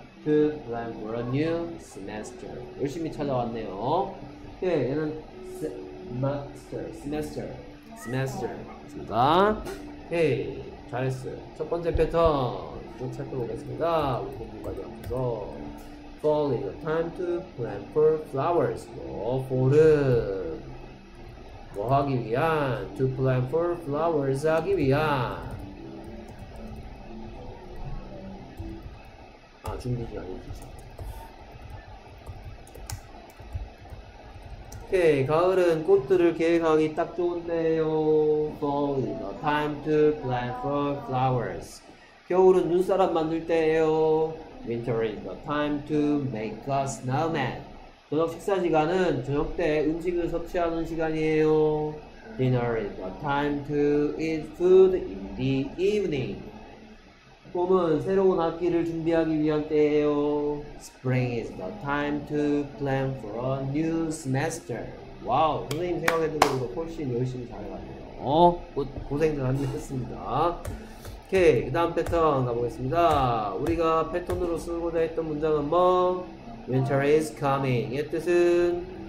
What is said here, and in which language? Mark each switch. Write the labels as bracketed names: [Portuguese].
[English] To plan for a new semester. 열심히 찾아왔네요. 오케이. [Korean] 얘는 semester. 맞습니다. 오케이. 잘했어요. 첫 번째 패턴 쭉 살펴보겠습니다. 공부까지 앞서. [English] Fall is the time to plant for flowers. [Korean] 봄은 뭐 하기 위한? [English] To plant for flowers 하기 위한. [Korean] 아, 준비 시간이 있어. 오케이. 가을은 꽃들을 계획하기 딱 좋은데요. [English] Fall is the time to plant for flowers. [Korean] 겨울은 눈사람 만들 때예요. [English] Winter is the time to make a snowman. [Korean] 저녁 식사 시간은 저녁 때 음식을 섭취하는 시간이에요. [English] Dinner is the time to eat food in the evening. [Korean] 봄은 새로운 학기를 준비하기 위한 때예요. [English] Spring is the time to plan for a new semester. [Korean] 와우, 선생님 생각했던 것보다 훨씬 열심히 잘해가지고요. 고생들 많이 했습니다. 오케이, 그 다음 패턴 가보겠습니다. 우리가 패턴으로 쓰고자 했던 문장은 뭐? [English] Winter is coming. 이 뜻은?